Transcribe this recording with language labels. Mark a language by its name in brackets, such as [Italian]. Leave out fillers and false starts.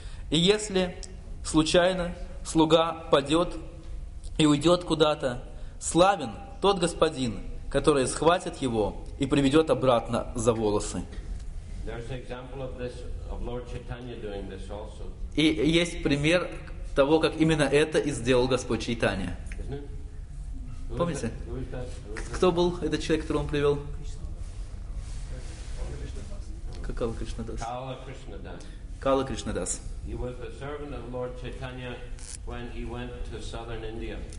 [Russian] И если случайно слуга падет и уйдет куда-то, славен тот господин, который схватит его и приведет обратно за волосы. [English] There's an example of this, of Lord Chaitanya doing this also. [Russian] И есть пример того, как именно это и сделал Господь Чайтанья. Помните? Кто был этот человек, которого он привел? Какала Кришнадас. Кала Кришнадас. Кала Кришнадас. [English] He was a servant of Lord Chaitanya when he went to southern India.